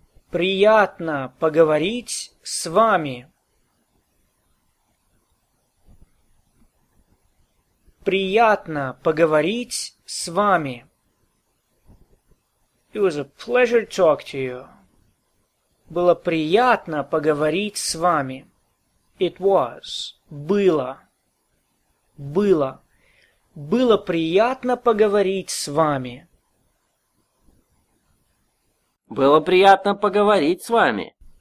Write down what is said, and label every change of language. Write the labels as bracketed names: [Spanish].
[Russian] Приятно поговорить с вами. Приятно поговорить с вами. [English] It was a pleasure to talk to you. [Russian] Было приятно поговорить с вами. [English] It was. [Russian] Было. Было. Было приятно поговорить с вами. Было приятно поговорить с вами.